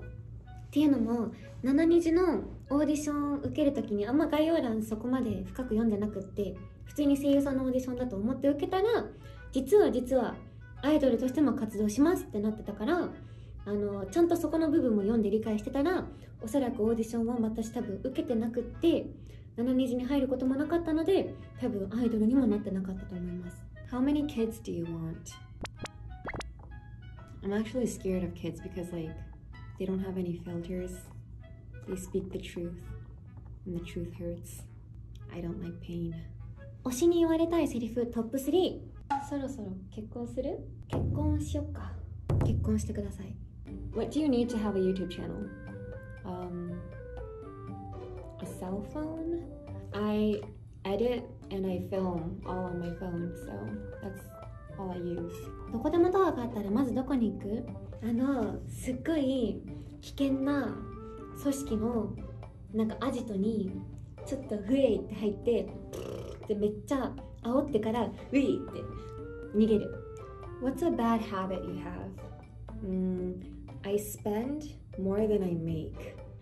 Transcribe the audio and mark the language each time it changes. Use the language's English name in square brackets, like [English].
[Japanese] っていうのも、七虹のオーディションを受けるときにあんま概要欄そこまで深く読んでなくって、普通に声優さんのオーディションだと思って受けたら、実はアイドルとしても活動しますってなってたから、あのちゃんとそこの部分も読んで理解してたら、おそらくオーディションは私多分受けてなくって、七虹に入ることもなかったので、多分アイドルにもなってなかったと思います。 [English] How many kids do you want? I'm actually scared of kids because, like, they don't have any filters. They speak the truth, and the truth hurts. I don't like pain. [Japanese] 推しに言われたいセリフトップ3。そろそろ結婚する？結婚しよっか。結婚してください。 [English] What do you need to have a YouTube channel? A cell phone? I edit. And I film all on my phone, so that's all I use. [Japanese] どこでもドアがあったらまずどこに行く？あのすっごい危険な組織のなんかアジトにちょっとフレイって入ってでめっちゃ煽ってからウィーって逃げる。 [English] What's a bad habit you have? I spend more than I make.